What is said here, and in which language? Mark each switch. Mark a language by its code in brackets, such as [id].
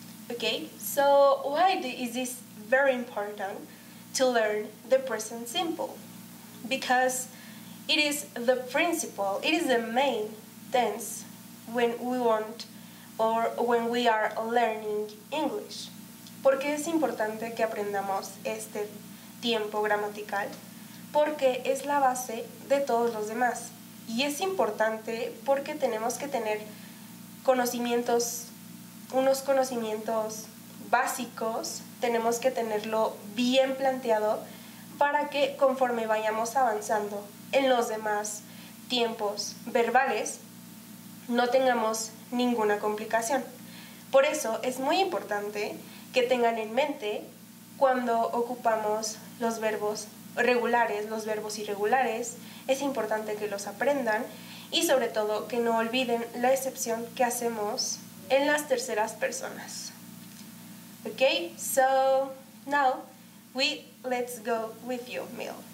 [en] Okay, so why is this very important to learn the present simple? Because it is the principle, it is the main tense when we want or when we are learning English. [es] ¿Por qué es importante que aprendamos este tiempo gramatical? Porque es la base de todos los demás. Y es importante porque tenemos que tener conocimientos, unos conocimientos básicos, tenemos que tenerlo bien planteado para que conforme vayamos avanzando en los demás tiempos verbales, no tengamos ninguna complicación. Por eso es muy importante que tengan en mente cuando ocupamos los verbos regulares, los verbos irregulares, es importante que los aprendan y sobre todo que no olviden la excepción que hacemos en las terceras personas. [en] Okay, so now we let's go with you, Mil.